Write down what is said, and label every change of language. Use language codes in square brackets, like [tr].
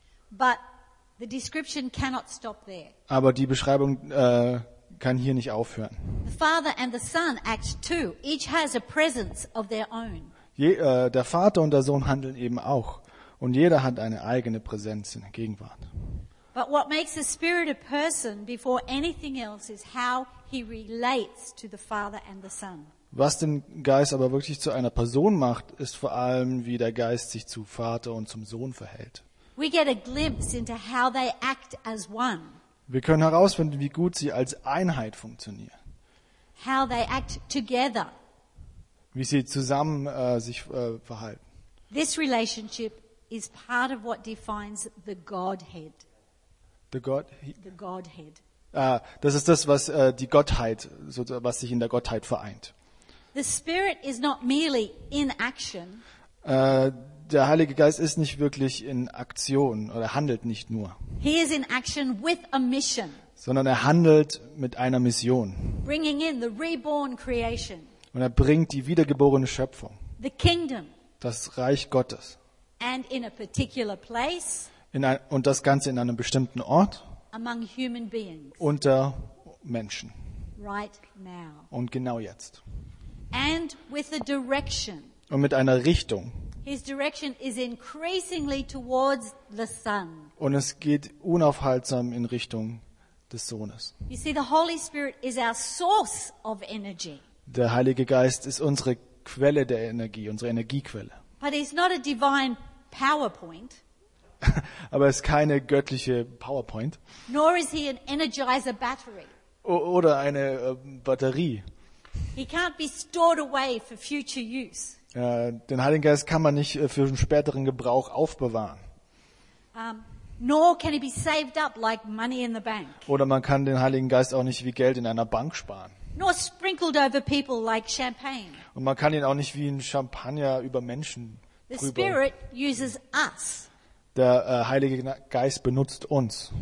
[en] But the description cannot stop there. [de] Aber die Beschreibung kann hier nicht aufhören. [en] The Father and the Son act too. Each has a presence of their own. [de] Der Vater und der Sohn handeln eben auch, und jeder hat eine eigene Präsenz in der Gegenwart. [en] But what makes the Spirit a person before anything else is how he relates to the Father and the Son. [de] Was den Geist aber wirklich zu einer Person macht, ist vor allem, wie der Geist sich zu Vater und zum Sohn verhält. [en] We get a glimpse into how they act as one. [de] Wir können herausfinden, wie gut sie als Einheit funktionieren. [en] How they act together. [de] Wie sie zusammen sich verhalten. [en] This relationship is part of what defines the Godhead. The Godhead. [de] Das ist das, was die Gottheit, was sich in der Gottheit vereint. [en] The Spirit is not merely in action. [de] Der Heilige Geist ist nicht wirklich in Aktion oder handelt nicht nur. [en] He is in action with a mission. [de] sondern er handelt mit einer Mission. [en] Bringing in the reborn creation. [de] Und er bringt die wiedergeborene Schöpfung. [en] The kingdom. [de] Das Reich Gottes. [en] And in a particular place. [de] Und das Ganze in einem bestimmten Ort. [en] Among human beings. [de] Unter Menschen. [en] Right now. [de] Und genau jetzt. [en] And with a direction. [de] Und mit einer Richtung. [en] His direction is increasingly towards the Son. [de] Und es geht unaufhaltsam in Richtung des Sohnes. [en] You see, the Holy Spirit is our source of energy. [de] Der Heilige Geist ist unsere Quelle der Energie, unsere Energiequelle. [en] But he's not a divine PowerPoint. [de] Aber es ist keine göttliche PowerPoint. [en] Nor is he an energizer battery. [de] Oder eine Batterie. [en] He can't be stored away for future use. [de] Den Heiligen Geist kann man nicht für einen späteren Gebrauch aufbewahren. [en] Nor can he be saved up like money in the bank. [de] Oder man kann den Heiligen Geist auch nicht wie Geld in einer Bank sparen. [en] Nor sprinkled over people like champagne. [de] Und man kann ihn auch nicht wie ein Champagner über Menschen [en] the Spirit uses us. [de] Der Heilige Geist benutzt uns.